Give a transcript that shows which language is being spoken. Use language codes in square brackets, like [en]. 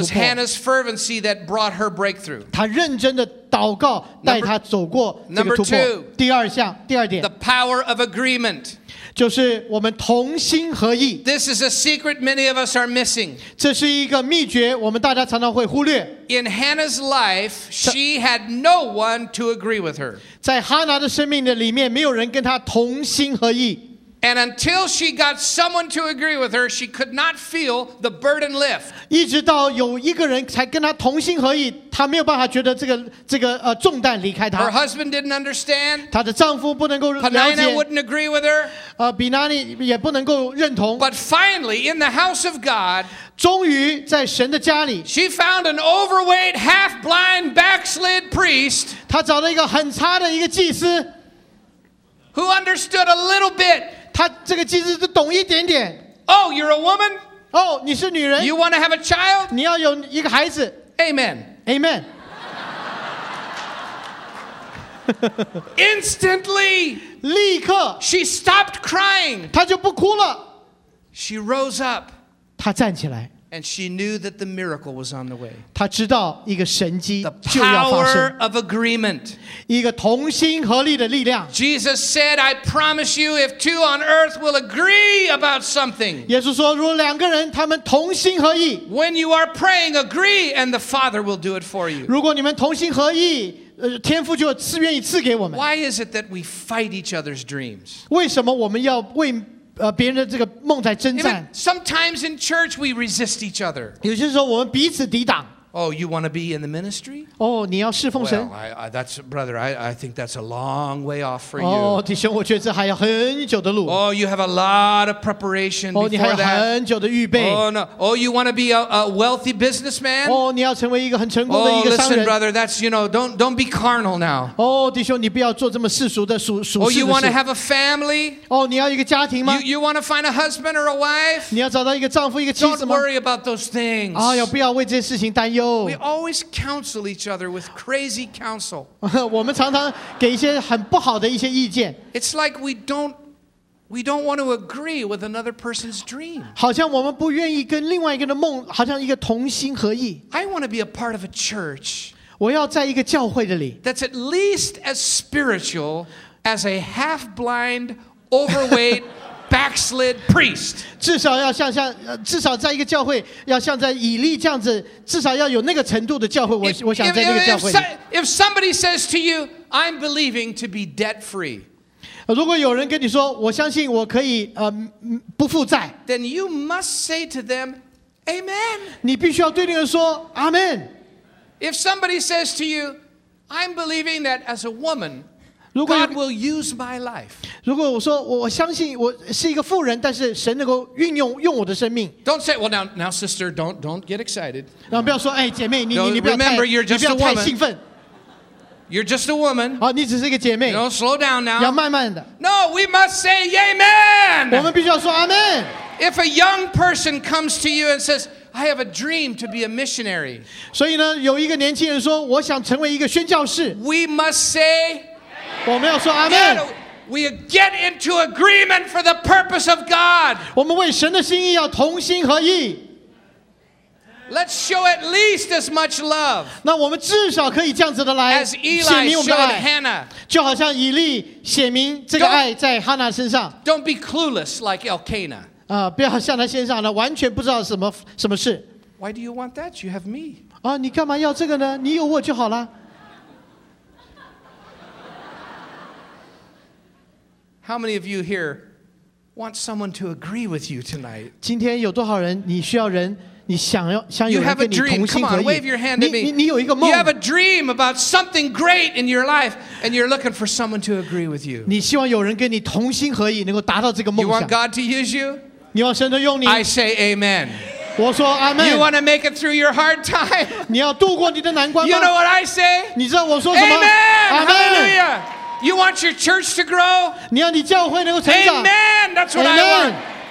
[en] It was Hannah's fervency that brought her breakthrough. [zh] 她认真的祷告带她走过这个突破。 [en] Number two. [zh] 第二项，第二点。 [en] The power of agreement. [zh] 就是我们同心合意。 [en] This is a secret many of us are missing. [zh] 这是一个秘诀，我们大家常常会忽略。 [en] In Hannah's life, she had no one to agree with her. [zh] 在哈拿的生命的里面，没有人跟她同心合意。 [en] And until she got someone to agree with her, she could not feel the burden lift. [zh] 一直到有一个人才跟她同心合意，她没有办法觉得这个重担离开她。 [en] Her husband didn't understand. [zh] 她的丈夫不能够了解。 [en] Penina wouldn't agree with her. [zh] 比拿尼也不能够认同。 [en] But finally, in the house of God, [zh] 终于在神的家里 [en] she found an overweight, half-blind, backslid priest. [zh] 她找了一个很差的一个祭司。 [en] Who understood a little bit? [zh] 他这个祭司都懂一点点。 [en] Oh, you're a woman. [zh] Oh, 你是女人。 [en] You want to have a child? [zh] 你要有一个孩子。 [en] Amen. Amen. Instantly, [zh] 立刻 [en] she stopped crying. [zh] 她就不哭了。 [en] She rose up. [zh] 她站起来。 [en] And she knew that the miracle was on the way. [zh] 她知道一个神迹就要发生。 [en] The power of agreement. [zh] 一个同心合力的力量。 [en] Jesus said, I promise you, if two on earth will agree about something. [zh] 耶稣说，如果两个人他们同心合意。 [en] When you are praying, agree, and the Father will do it for you. [zh] 如果你们同心合意，天父就愿意赐给我们。 [en] Why is it that we fight each other's dreams? [zh] 为什么我们要为别人的这个梦在征战。 [en] Sometimes in church we resist each other. [zh] 有些时候我们彼此抵挡。 [en] Oh, you want to be in the ministry? [zh] 哦，你要侍奉神。 [en] Well, that's brother. I think that's a long way off for you. [zh] 哦，弟兄，我觉得这还有很久的路。 [en] Oh, you have a lot of preparation before that. [zh] 哦，你还有很久的预备。 [en] Oh no. Oh, you want to be a wealthy businessman? [zh] 哦，你要成为一个很成功的一个商人。 [en] Oh, listen, brother. That's you know. Don't be carnal now. [zh] 哦，弟兄，你不要做这么世俗的俗世的事。 [en] Oh, you want to have a family? [zh] 哦，你要一个家庭吗 [en] ？You want to find a husband or a wife? [zh] 你要找到一个丈夫一个妻子吗 [en] ？Don't worry about those things. [zh] 哦，要不要为这些事情担忧？ [en] We always counsel each other with crazy counsel. [zh] 我们常常给一些很不好的一些意见。 [en] It's like we don't want to agree with another person's dream. [zh] 好像我们不愿意跟另外一个的梦，好像一个同心合意。 [en] I want to be a part of a church. [zh] 我要在一个教会里。 [en] That's at least as spiritual as a half-blind, overweight. Backslid priest. [zh] 至少要像至少在一个教会要像在以利这样子，至少要有那个程度的教会。我想在那个教会。 [en] If somebody says to you, "I'm believing to be debt free," [zh] 如果有人跟你说，我相信我可以不负债 [en] ，then you must say to them, "Amen." [zh] 你必须要对那个人说 ，Amen. [en] If somebody says to you, "I'm believing that as a woman." God will use my life. [zh] 如果我说我相信我是一个妇人，但是神能够用我的生命。 [en] Don't say, well, now, sister, don't get excited. [zh] 然后不要说，哎，姐妹，你 [en] no, [zh] 你不要太 [en] remember, you're just [zh] 你不要太兴奋。 [en] You're just a woman. [zh] 哦，你只是一个姐妹。 [en] No, slow down now. [zh] 要慢慢的。 [en] No, we must say amen. [zh] 我们必须要说 amen. [en] If a young person comes to you and says, I have a dream to be a missionary. [zh] 所以呢，有一个年轻人说，我想成为一个宣教士。 [en] We must say. [zh] 我们要说阿们。 [en] We get into agreement for the purpose of God. [zh] 我们为神的心意要同心合意。 [en] Let's show at least as much love. [zh] 那我们至少可以这样子的来显明我们的爱。 [en] Hannah, [zh] 就好像以利显明这个爱在哈拿身上。 [en] Don't be clueless like Elkanah. [zh] 不要像他先生呢，完全不知道什么事。 [en] Why do you want that? You have me. [zh] 你干嘛要这个呢？你有我就好了。 [en] How many of you here want someone to agree with you tonight? [zh] 今天有多少人你需要人你想要想有人跟你同心合意 [en] You have a dream. Come on, wave your hand at me. [zh] 你有一个梦 [en] You have a dream about something great in your life, and you're looking for someone to agree with you. [zh] 你希望有人跟你同心合意，能够达到这个梦想 [en] You want God to use you? [zh] 你要神能用你 [en] I say amen. [zh] 我说 amen. [en] You want to make it through your hard time? [zh] 你要度过你的难关吗 [en] You know what I say? [zh] 你知道我说什么 [en] Amen. Hallelujah. You want your church to grow? [zh] 你要你教会能够成长 [en] Amen. That's what、amen. I want.